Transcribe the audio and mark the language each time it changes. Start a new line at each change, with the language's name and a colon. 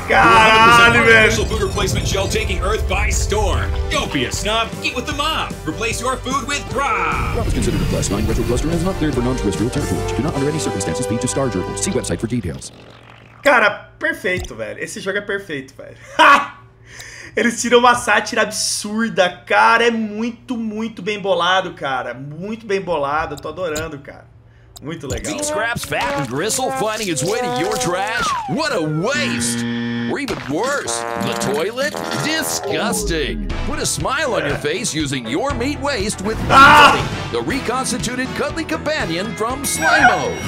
Portuguese: Caralho, man!
English: Special food replacement gel taking Earth by storm. Don't be a snob, eat with the mob. Replace your food with Bruh! Bruh is considered a class 9 retro cluster and is not there for non-terrestrial territory. Do not under any circumstances feed to star gerbils. See website for details.
Portuguese: Cara, perfeito, velho. Esse jogo é perfeito, velho. Eles tiram uma sátira absurda, cara. É muito, muito bem bolado, cara. Muito bem bolado. Tô adorando, cara. Muito legal.
English: These scraps, fat and gristle, finding its way to your trash. What a waste! Or even worse, the toilet? Disgusting! Put a smile on your face using your meat waste with Cuddly, the reconstituted cuddly companion from Slimo.